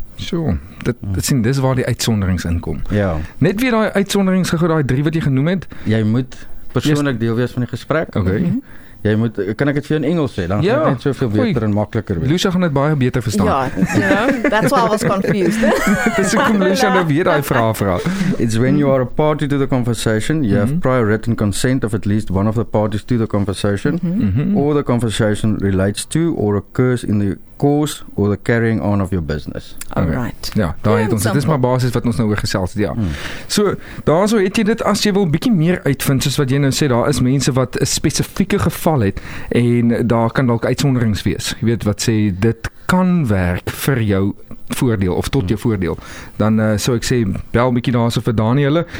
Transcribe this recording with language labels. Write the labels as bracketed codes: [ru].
[af] So, dis waar die uitsonderings inkom. Ja. Net weer die uitsonderings, die drie wat jy genoem het. Jy moet persoonlik deel wees van die gesprek. Oké. Okay. Jy moet, kan ek het vir jou in Engels sê, dan gaan dit soveel beter en makkeliker wees. Lucia gaan dit baie beter verstaan. [en] Ja, that's why I was confused. [af] Dis ook om Lucia nou weer die vraag. [en] It's when you are a party to the conversation, you have prior written consent of at least one of the parties to the conversation, or the conversation relates to or occurs in the course or the carrying on of your business. Alright. [af] Okay. Ja, daar het ons, dit is maar basis wat ons nou oor gesels het, ja. Mm. So, daar so het jy dit, as jy wil bietjie meer uitvind, soos wat jy nou sê, daar is mense wat een spesifieke geval het, en daar kan dalk uitsonderings wees. Jy weet wat sê, dit kan werk vir jou voordeel, of tot jou voordeel. Dan so ek sê, bel bietjie daar so vir Daniëlle.